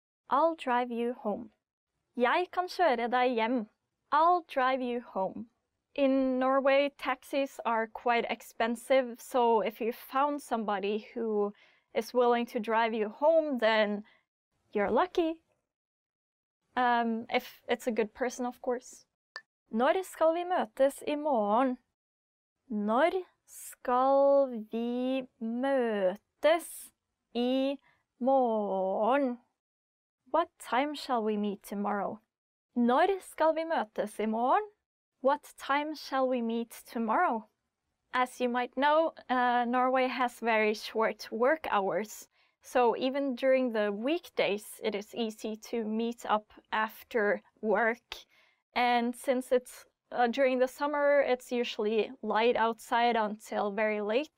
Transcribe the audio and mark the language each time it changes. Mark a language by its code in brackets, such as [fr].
[en] I'll drive you home. [no] Jeg kan kjøre deg hjem. [en] I'll drive you home. In Norway, taxis are quite expensive, so if you found somebody who is willing to drive you home, then you're lucky. If it's a good person, of course. [no] Når skal vi møtes I morgen? Når skal vi møtes I morgen? [en] What time shall we meet tomorrow? [no] Når skal vi møtes I morgen? [en] What time shall we meet tomorrow? As you might know, Norway has very short work hours. So even during the weekdays, it is easy to meet up after work. And since it's during the summer, it's usually light outside until very late.